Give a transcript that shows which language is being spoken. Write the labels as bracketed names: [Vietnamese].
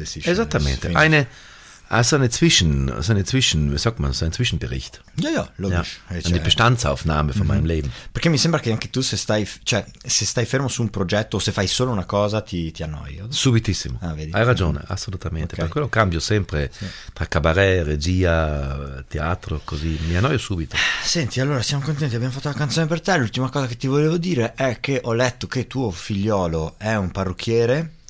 [Italian] Sì, esattamente, [German] eine, Also ein Zwischenbericht. Ja, ja, logisch. Ja. Eine Bestandsaufnahme von meinem Leben. [Italian] Perché mi sembra che anche tu se stai fermo su un progetto o se fai solo una cosa ti annoi. Subitissimo. Ah, vedi. Hai ragione, assolutamente. Okay. Per quello cambio sempre tra cabaret, regia, teatro, così. Mi annoio subito. Senti, allora siamo contenti, abbiamo fatto la canzone per te. L'ultima cosa che ti volevo dire è che ho letto che tuo figliolo è un parrucchiere.